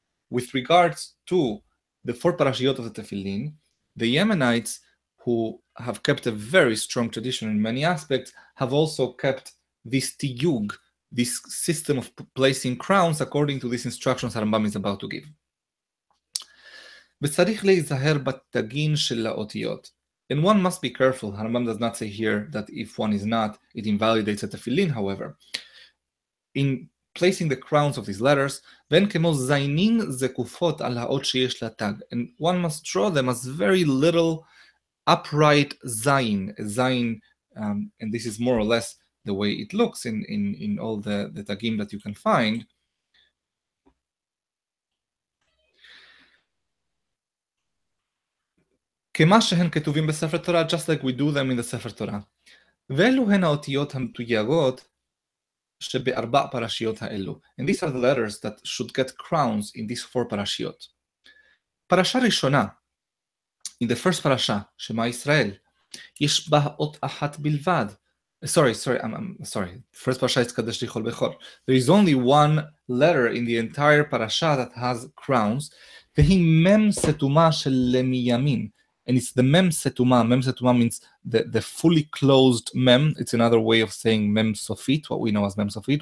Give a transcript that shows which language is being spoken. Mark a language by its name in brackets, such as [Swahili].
[English] With regards to the four parashiyot of the tefillin, the Yemenites, who have kept a very strong tradition in many aspects, have also kept this tiyug, this system of placing crowns according to these instructions Rambam is about to give. [Hebrew] וצריך להיזהר בתגין של האותיות. [English] And one must be careful. Rambam does not say here that if one is not, it invalidates the tefillin, however. In placing the crowns of these letters, [Hebrew] ואין כמו זיינין זקופות על האות שיש לתג. [English] And one must draw them as very little upright zayin. Zayin, and this is more or less the way it looks in all the tagim that you can find. [Hebrew] כמה שהן כתובים בספר תורה, [English] just like we do them in the ספר תורה. [Hebrew] ואלו הן האותיות המתויגות שבארבע פרשיות האלו. [English] And these are the letters that should get crowns in these four פרשיות. [Hebrew] פרשה ראשונה, [English] in the first [Hebrew] פרשה, שמה ישראל, יש בה אות אחת בלבד. [English] Sorry, first parasha is Kadesh Lichol Bechor. There is only one letter in the entire parasha that has crowns. [Hebrew] V'hi mem setuma shel lemiyamin. [English] And it's the mem setuma. Mem setuma means the fully closed mem. It's another way of saying mem sofit, what we know as mem sofit.